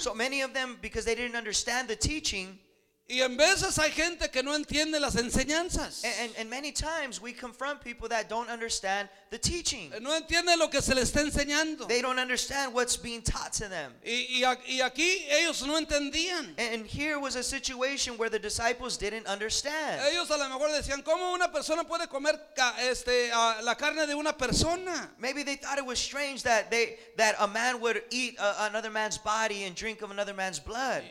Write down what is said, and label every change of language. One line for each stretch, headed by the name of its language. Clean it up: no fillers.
English: So many of them, because they didn't understand the teaching.
Spanish: Y en veces hay gente que no entiende las enseñanzas.
English: And many times we confront people that don't understand the teaching.
Spanish: No entienden lo que se les está enseñando.
English: They don't understand what's being taught to them.
Spanish: Y aquí ellos no entendían.
English: And here was a situation where the disciples didn't understand.
Spanish: Ellos a lo mejor decían, ¿cómo una persona puede comer la carne de una persona?
English: Maybe they thought it was strange that a man would eat another man's body and drink of another man's blood.